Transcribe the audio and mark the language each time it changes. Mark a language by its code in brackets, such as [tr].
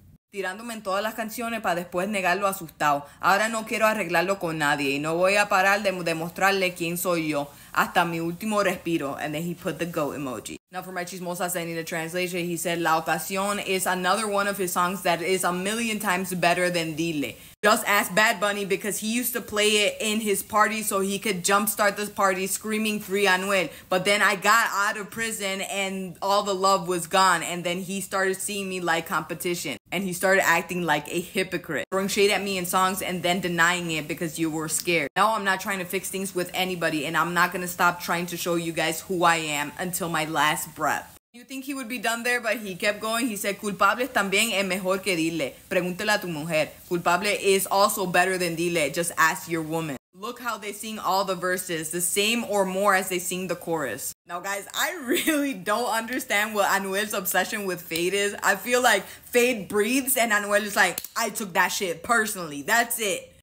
[es] Tirándome en todas las canciones para después negarlo asustado. Ahora no quiero arreglarlo con nadie y no voy a parar de demostrarle quién soy yo hasta mi último respiro. [en] And then he put the goat emoji. Now for my chismosas, I need a translation. He said, La Ocasión is another one of his songs that is a million times better than Dile. Just ask Bad Bunny because he used to play it in his party so he could jumpstart this party screaming Free Anuel. But then I got out of prison and all the love was gone. And then he started seeing me like competition. And he started acting like a hypocrite, throwing shade at me in songs and then denying it because you were scared. Now I'm not trying to fix things with anybody and I'm not gonna stop trying to show you guys who I am until my last breath. You think he would be done there, but he kept going. He said, [es] culpables también es mejor que Dile. Pregúntale a tu mujer. [en] Culpable is also better than Dile. Just ask your woman. Look how they sing all the verses, the same or more as they sing the chorus. Now, guys, I really don't understand what Anuel's obsession with Fade is. I feel like Fade breathes and Anuel is like, I took that shit personally. That's it.